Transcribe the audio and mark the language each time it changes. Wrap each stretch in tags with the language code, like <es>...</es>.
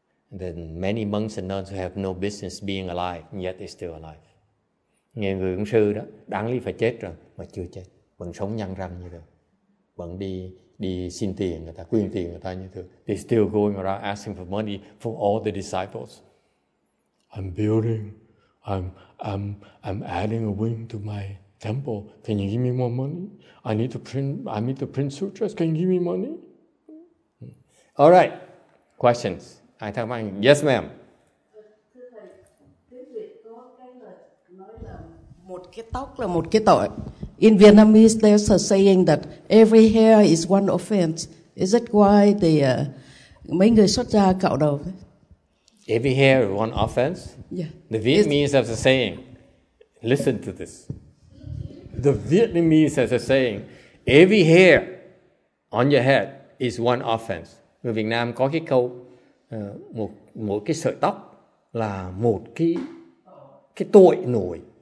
<en>Then many monks and nuns who have no business being alive, and yet they're still alive.</en> <vi>Nghe người ông sư đó, đáng lý phải chết rồi, mà chưa chết, vẫn sống nhăn răng như thường. Vẫn đi xin tiền người ta, quyên tiền người ta như thường.</vi> <en>They still going around asking for money for all the disciples. I'm building, I'm adding a wing to my temple. Can you give me more money? I need to print sutras. Can you give me money? All right, questions. I talk about yes, ma'am.</en> <vi>Một cái tóc là một cái tội.</vi> <en>In Vietnamese, there's a saying that every hair is one offense. Is that why the</en> <vi>mấy người xuất gia cạo đầu?</vi> <en>Every hair is one offense? Yeah. The Vietnamese have a saying. Listen to this. The Vietnamese has a saying. Every hair on your head is one offense.</en> <vi>Người Việt Nam có cái câu một cái sợi tóc là một cái tội nổi.</vi>